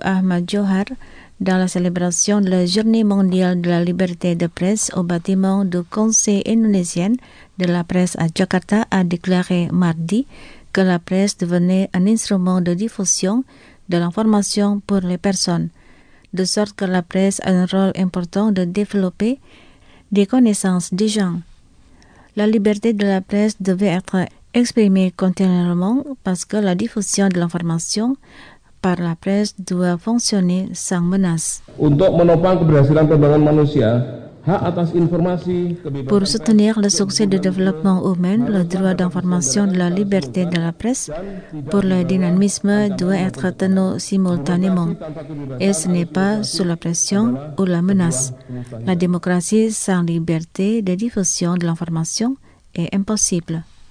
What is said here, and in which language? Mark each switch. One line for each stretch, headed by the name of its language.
French: Ahmad Johar, dans la célébration de la Journée mondiale de la liberté de presse au bâtiment du Conseil indonésien de la presse à Jakarta, a déclaré mardi que la presse devenait un instrument de diffusion de l'information pour les personnes, de sorte que la presse a un rôle important de développer des connaissances des gens. La liberté de la presse devait être exprimée continuellement parce que la diffusion de l'information par la presse doit fonctionner sans menace.
Indonesian: Untuk menopang keberhasilan pembangunan manusia, hak atas informasi,
French: pour soutenir le succès du développement humain, le droit d'information de la liberté de la presse pour le dynamisme doit être tenu simultanément. Et ce n'est pas sous la pression ou la menace. La démocratie sans liberté de diffusion de l'information est impossible.